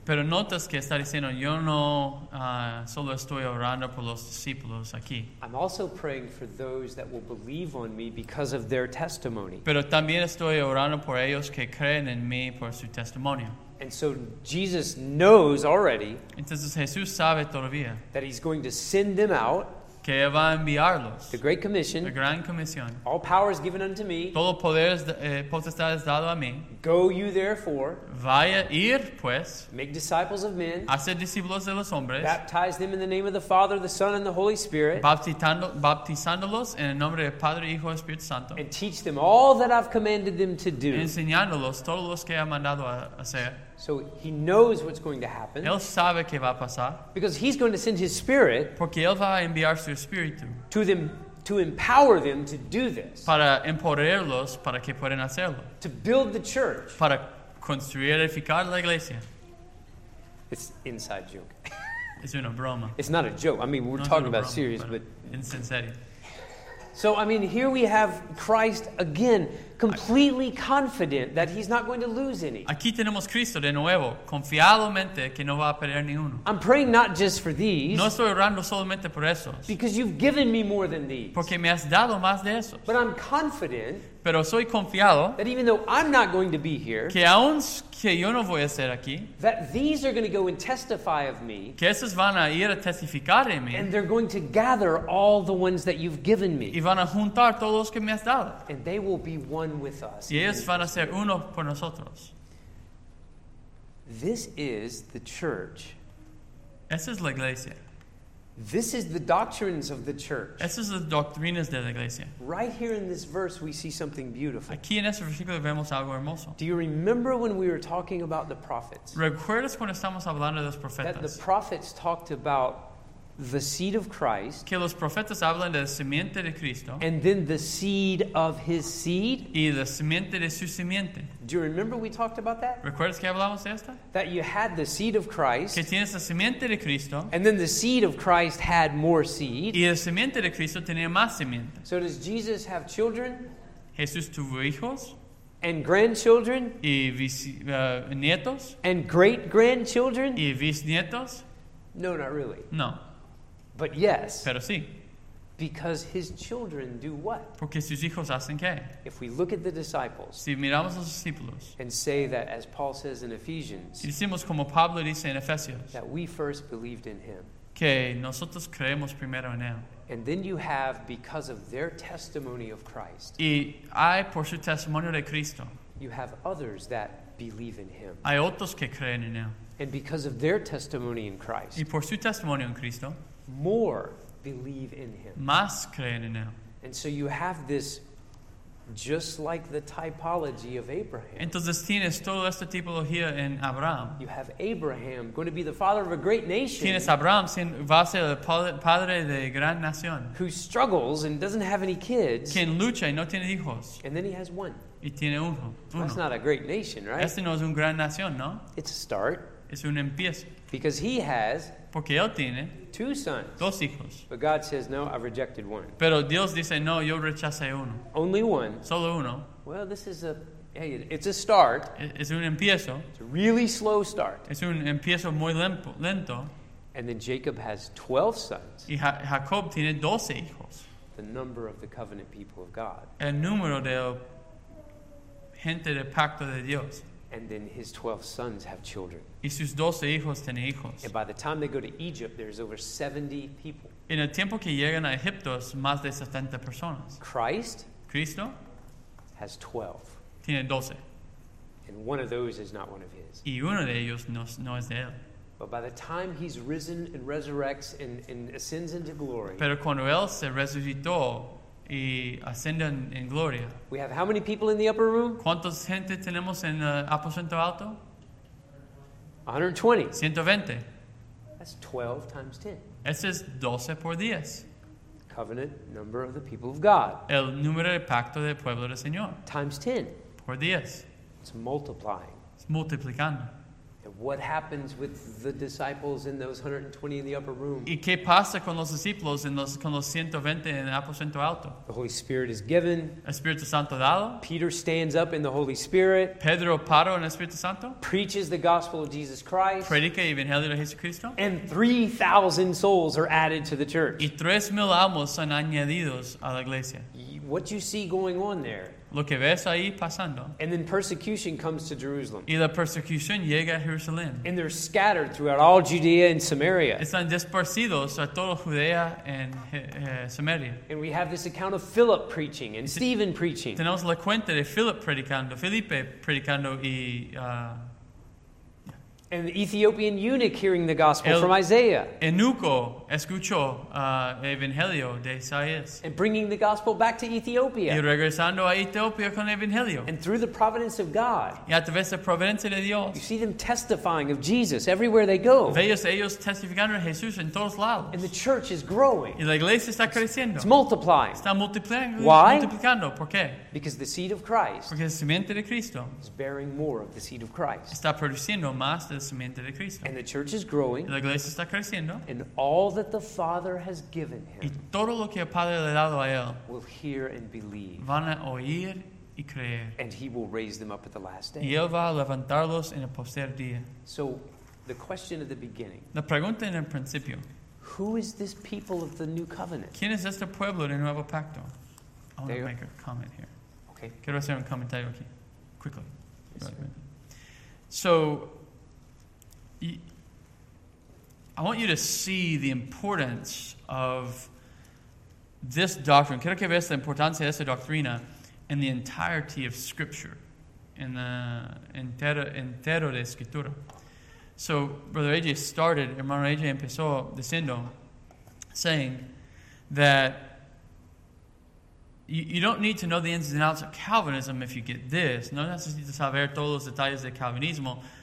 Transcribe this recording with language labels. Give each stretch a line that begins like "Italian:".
Spanish: Pero notas que está diciendo, yo no solo estoy orando por los discípulos aquí.
English: I'm also praying for those that will believe on me because of their testimony.
Spanish: Pero también estoy orando por ellos que creen en mí por su testimonio.
English: And so Jesus knows already.
Spanish: Entonces Jesús sabe todavía
English: that he's going to send them out.
Spanish: Que va a enviarlos.
English: The Great Commission.
Spanish: La Gran Comisión.
English: All power is given unto me.
Spanish: Todo poder es potestad es dado a mí.
English: Go you therefore.
Spanish: Vaya ir pues.
English: Make disciples of men.
Spanish: Hacer discípulos de los hombres.
English: Baptize them in the name of the Father, the Son, and the Holy Spirit.
Spanish: Bautizándolos en el nombre del Padre, Hijo y Espíritu Santo.
English: And teach them all that I've commanded them to do.
Spanish: Enseñándolos todos los que ha mandado a hacer.
English: So he knows what's going to happen.
Spanish: Él sabe qué va a pasar.
English: Because he's going to send his Spirit.
Spanish: Porque él va a enviar su Espíritu.
English: To them, to empower them to do this.
Spanish: Para empoderarlos para que puedan hacerlo.
English: To build the church.
Spanish: Para construir, edificar la iglesia.
English: It's inside joke.
Spanish: Es una broma.
English: It's not a joke. I mean, we're
Spanish: no
English: talking about
Spanish: broma,
English: serious, but insincere. So, I mean, here we have Christ again, completely confident that he's not going to lose any.
Spanish: Aquí tenemos Cristo de nuevo, confiadamente que no va a perder ni uno.
English: I'm praying not just for these.
Spanish: No estoy orando solamente por esos.
English: Because you've given me more than these.
Spanish: Porque me has dado más de esos.
English: But I'm confident.
Spanish: Pero soy confiado.
English: That even though I'm not going to be here.
Spanish: Que aun que yo no voy a estar aquí.
English: That these are going to go and testify of me.
Spanish: Que esos van a ir a testificar de mí.
English: And they're going to gather all the ones that you've given me.
Spanish: Y van a juntar todos los que me has dado.
English: And they will be one. With us.
Spanish: Y ellos van a ser uno por nosotros.
English: This is the church.
Spanish: Esa es la iglesia.
English: This is the doctrines of the church.
Spanish: Esas son las doctrinas de la iglesia.
English: Right here in this verse we see something beautiful.
Spanish: Aquí en este versículo vemos algo hermoso.
English: Do you remember when we were talking about the prophets?
Spanish: ¿Recuerdas cuando estamos hablando de los profetas?
English: That the prophets talked about the seed of Christ.
Spanish: Que los profetas hablan de la simiente de Cristo.
English: And then the seed of his seed.
Spanish: Y la simiente de su simiente.
English: Do you remember we talked about that?
Spanish: ¿Recuerdas que hablamos de esta?
English: That you had the seed of Christ.
Spanish: Que tienes la simiente de Cristo.
English: And then the seed of Christ had more seed.
Spanish: Y la simiente de Cristo tenía más simiente.
English: So does Jesus have children?
Spanish: ¿Jesús tuvo hijos?
English: And grandchildren?
Spanish: Y nietos?
English: And great-grandchildren?
Spanish: Y bisnietos?
English: No, not really.
Spanish: No.
English: But yes.
Spanish: Pero sí.
English: Because his children do what?
Spanish: Porque sus hijos hacen qué?
English: If we look at the disciples.
Spanish: Si miramos los discípulos.
English: And say that as Paul says in Ephesians.
Spanish: Y decimos como Pablo dice en Efesios.
English: That we first believed in him.
Spanish: Que nosotros creemos primero en él.
English: And then you have because of their testimony of Christ.
Spanish: Y hay por su testimonio de Cristo.
English: You have others that believe in him.
Spanish: Hay otros que creen en él.
English: And because of their testimony in Christ.
Spanish: Y por su testimonio en Cristo.
English: More believe in him.
Spanish: Más creen en él.
English: And so you have this just like the typology of Abraham.
Spanish: Entonces tienes toda esta tipología en Abraham.
English: You have Abraham going to be the father of a great nation.
Spanish: Tienes Abraham sin, va a ser el padre de gran nación.
English: Who struggles and doesn't have any kids.
Spanish: Quien lucha y no tiene hijos.
English: And then he has one.
Spanish: Y tiene uno.
English: That's not a great nation, right?
Spanish: Este no es un gran nación, ¿no?
English: It's a start.
Spanish: Es un empiezo.
English: Because he has
Spanish: porque él tiene
English: two sons.
Spanish: Dos hijos.
English: But God says, no, I've rejected one.
Spanish: Pero Dios dice, no, yo rechacé uno.
English: Only one.
Spanish: Solo uno.
English: Well, this is a, hey, it's a start.
Spanish: Es un empiezo.
English: It's a really slow start.
Spanish: Es un empiezo muy lento.
English: And then Jacob has 12 sons.
Spanish: Y Jacob tiene 12 hijos.
English: The number of the covenant people of God.
Spanish: El número de gente del pacto de Dios.
English: And then his 12 sons have children.
Spanish: Y sus 12 hijos tienen hijos.
English: And by the time they go to Egypt, there's over 70 people.
Spanish: En el tiempo que llegan a Egipto, es más de 70 personas.
English: Christ.
Spanish: Cristo.
English: Has 12.
Spanish: Tiene 12.
English: And one of those is not one of his.
Spanish: Y uno de ellos no es de él.
English: But by the time he's risen and resurrects and ascends into glory.
Spanish: Pero cuando él se resucitó y ascende en gloria.
English: We have how many people in the upper room?
Spanish: ¿Cuántos gente tenemos en el aposento alto?
English: 120.
Spanish: 120.
English: That's 12 times 10.
Spanish: Ese es 12 por 10.
English: Covenant number of the people of God.
Spanish: El número de pacto del pueblo del Señor.
English: Times 10.
Spanish: Por 10.
English: It's multiplying.
Spanish: Es multiplicando.
English: What happens with the disciples in those 120 in the upper room?
Spanish: ¿Y qué pasa con los discípulos en los, con los 120 en el aposento alto?
English: The Holy Spirit is given.
Spanish: Espíritu Santo dado.
English: Peter stands up in the Holy Spirit.
Spanish: Pedro paró en el Espíritu Santo.
English: Preaches the gospel of Jesus Christ.
Spanish: Predica el Evangelio de Jesucristo.
English: And 3,000 souls are added to the church.
Spanish: Y 3,000 almas son añadidos a la iglesia.
English: What you see going on there?
Spanish: Lo que ves ahí pasando.
English: And then persecution comes to Jerusalem.
Spanish: Y la persecución llega a Jerusalén.
English: And they're scattered throughout all Judea and Samaria.
Spanish: Están dispersidos a toda Judea and Samaria.
English: And we have this account of Philip preaching and Stephen preaching.
Spanish: Tenemos la cuenta de Philip predicando, Felipe predicando y
English: And the Ethiopian eunuch hearing the gospel from Isaiah.
Spanish: Eunuco escuchó Evangelio de Isaías.
English: And bringing the gospel back to Ethiopia.
Spanish: Y regresando a Etiopía con Evangelio.
English: And through the providence of God.
Spanish: Y a través de providencia de Dios.
English: You see them testifying of Jesus everywhere they go.
Spanish: Veis ellos testificando a Jesús en todos lados.
English: And the church is growing.
Spanish: Y la iglesia está creciendo.
English: It's multiplying.
Spanish: Está multiplicando.
English: Why?
Spanish: Multiplicando. ¿Por qué?
English: Because the seed of Christ.
Spanish: Porque la simiente de Cristo.
English: Is bearing more of the seed of Christ.
Spanish: Está produciendo más.
English: And the church is growing.
Spanish: La iglesia está creciendo.
English: And all that the Father has given him.
Spanish: Y todo lo que el Padre le ha dado a él.
English: Will hear and believe.
Spanish: Van a oír y creer.
English: And he will raise them up at the last day.
Spanish: Y él va a levantarlos en el postrer día.
English: So, the question at the beginning.
Spanish: La pregunta en el principio.
English: Who is this people of the new covenant?
Spanish: ¿Quién es este pueblo del nuevo pacto?
English: I want to make a comment here. Okay.
Spanish: Quiero hacer un comentario aquí.
English: Quickly. Yes, so, I want you to see the importance of this doctrine.
Spanish: Quiero que veas la importancia de esta doctrina en
English: the entirety of Scripture,
Spanish: en la entero de Escritura.
English: So, Brother AJ started,
Spanish: Hermano AJ empezó diciendo,
English: saying that you don't need to know the ins and outs of Calvinism if you get this.
Spanish: No necesitas saber todos los detalles de Calvinismo.